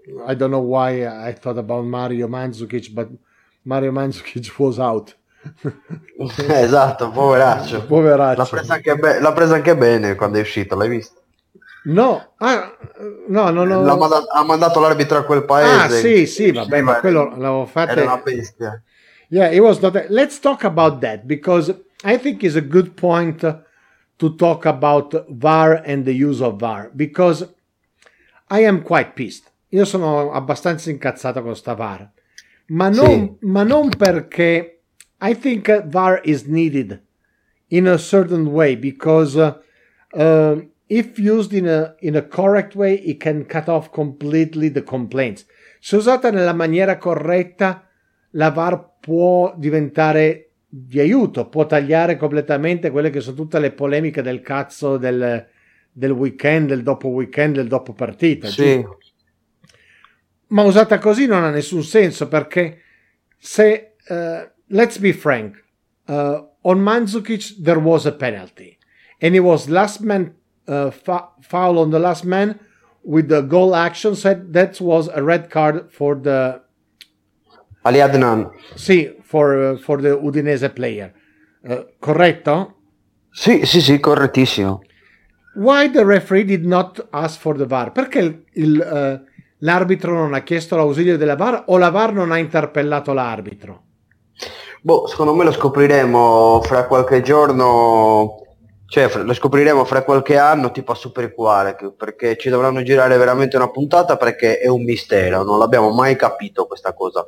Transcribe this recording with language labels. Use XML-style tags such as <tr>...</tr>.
<en>I don't know why I thought about Mario Mandzukic, but Mario Mandzukic was out.</en> <it>Esatto, poveraccio. Poveraccio. L'ha presa anche bene quando è uscito, l'hai visto? No. Ha mandato l'arbitro a quel paese. Ah, sì, vabbè, ma quello l'avevo fatto. Era una bestia.</it> <en>Yeah, it was not. Let's talk about that, because I think it's a good point to talk about VAR and the use of VAR, because I am quite pissed.</en> <it>Io sono abbastanza incazzato con sta VAR. Ma non perché</it> <en>I think VAR is needed in a certain way, because if used in a correct way, it can cut off completely the complaints.</en> <it>Se usata nella maniera corretta, la VAR può diventare di aiuto, può tagliare completamente quelle che sono tutte le polemiche del cazzo del weekend, del dopo partita. Sì. Ma usata così non ha nessun senso, perché se,</it> <en>let's be frank, on Mandzukic there was a penalty and it was last man foul on the last man with the goal action, said that was a red card for the Ali Adnan. Sì, for the Udinese player.</en> <it>Corretto? Sì, correttissimo.</it> <en>Why the referee did not ask for the VAR?</en> <it>Perché l'arbitro non ha chiesto l'ausilio della VAR, o la VAR non ha interpellato l'arbitro? Boh, secondo me lo scopriremo fra qualche giorno. Cioè, lo scopriremo fra qualche anno, tipo a Superquale, perché ci dovranno girare veramente una puntata, perché è un mistero, non l'abbiamo mai capito questa cosa.</it>